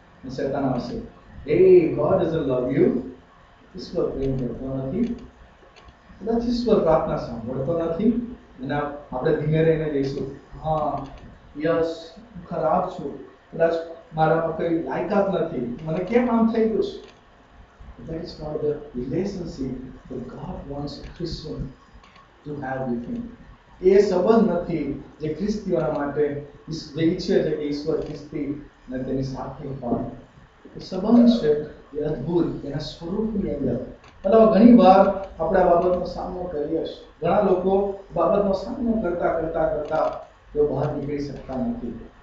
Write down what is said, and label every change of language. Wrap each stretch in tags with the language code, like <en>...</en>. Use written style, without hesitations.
<gu>શેતાન આવશે, હે</gu> <en>God is love you,</en> <gu>ઈશ્વર પ્રેમ કરતો નથી, કદાચ ઈશ્વર પ્રાર્થના સાંભળતો નથી. અને આપણે ધીમે રહીને જઈશું, હા યસ હું ખરાબ છું, કદાચ મારામાં કઈ લાયકાત નથી, મને કેમ આમ થઈ ગયું છે.</gu> <en>That is not the relationship that God wants Christian to have with him.</en> <gu>એ સંબંધ નથી જે ખ્રિસ્તીઓના માટે ઈચ્છે છે કે ઈશ્વર ખ્રિસ્તી અને તેની સાથે હોય. એ સંબંધ છે એ અદ્ભુત એના સ્વરૂપની અંદર. અલાવા ઘણી વાર આપણે આ બાબતનો સામનો કરીએ છીએ, ઘણા લોકો બાબતનો સામનો કરતા કરતા કરતા તેઓ બહાર નીકળી શકતા નથી.</gu>